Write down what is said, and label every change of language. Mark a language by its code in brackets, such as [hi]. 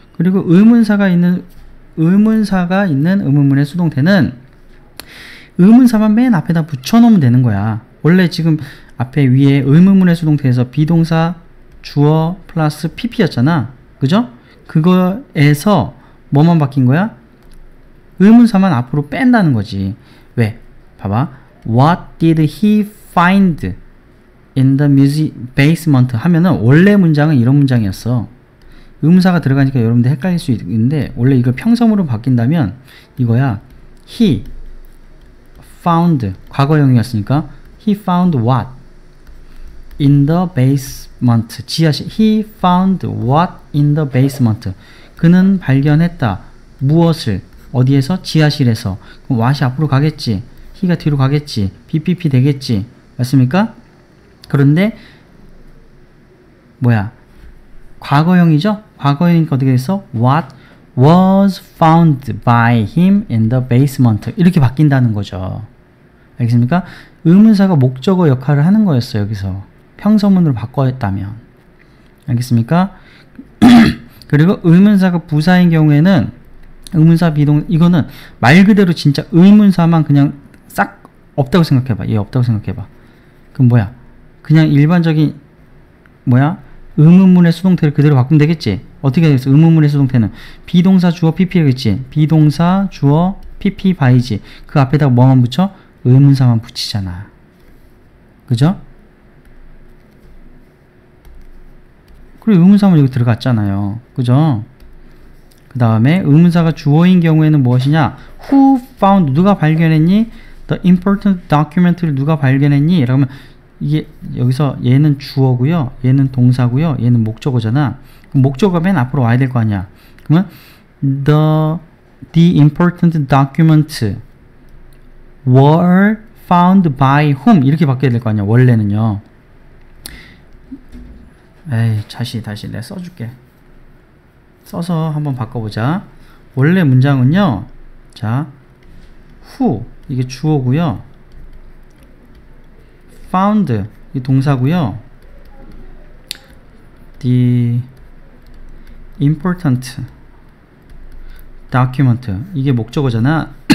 [ko] 그리고 의문사가 있는 의문문의 수동태는 의문사만 맨 앞에다 붙여놓으면 되는 거야. 원래 지금 앞에 위에 의문문의 수동태에서 비동사 주어 플러스 pp였잖아. 그죠? 그거에서 뭐만 바뀐 거야? 의문사만 앞으로 뺀다는 거지. 왜? 봐봐. [en] What did he find in the basement? [ko] 하면은 원래 문장은 이런 문장이었어. 의문사가 들어가니까 여러분들 헷갈릴 수 있는데, 원래 이걸 평성으로 바뀐다면 이거야. [en] He found, [ko] 과거형이었으니까 [en] he found what in the basement. [ko] 지하실. [en] He found what in the basement. [ko] 그는 발견했다. 무엇을? 어디에서? 지하실에서. 그럼 what이 앞으로 가겠지. he가 뒤로 가겠지. bpp 되겠지. 맞습니까? 그런데 뭐야? 과거형이죠? 과거형이니까 어떻게 됐어? [en] what was found by him in the basement. [ko] 이렇게 바뀐다는 거죠. 알겠습니까? 의문사가 목적어 역할을 하는 거였어, 여기서. 평서문으로 바꿨다면. 알겠습니까? 그리고 의문사가 부사인 경우에는 의문사 비동 이거는 말 그대로 진짜 의문사만 그냥 싹 없다고 생각해봐. 얘 없다고 생각해봐. 그럼 뭐야? 그냥 일반적인 뭐야? 의문문의 수동태를 그대로 바꾸면 되겠지? 어떻게 되겠어? 의문문의 수동태는 비동사 주어 pp겠지? 비동사 주어 pp by지. 그 앞에다가 뭐만 붙여? 의문사만 붙이잖아. 그죠? 그리고 의문사만 여기 들어갔잖아요. 그죠? 그 다음에 의문사가 주어인 경우에는 무엇이냐? [en] Who found? [ko] 누가 발견했니? [en] The important document [ko] 를 누가 발견했니? 이러면 이게 여기서 얘는 주어고요. 얘는 동사고요. 얘는 목적어잖아. 그럼 목적어가 맨 앞으로 와야 될거 아니야. [en] 그러면 the important document were found by whom? [ko] 이렇게 바뀌어야 될거 아니야, 원래는요. 에이, 다시 내가 써줄게. 써서 한번 바꿔보자. 원래 문장은요, 자, who, 이게 주어고요. found, 이게 동사고요. [en] the important document, [ko] 이게 목적어잖아.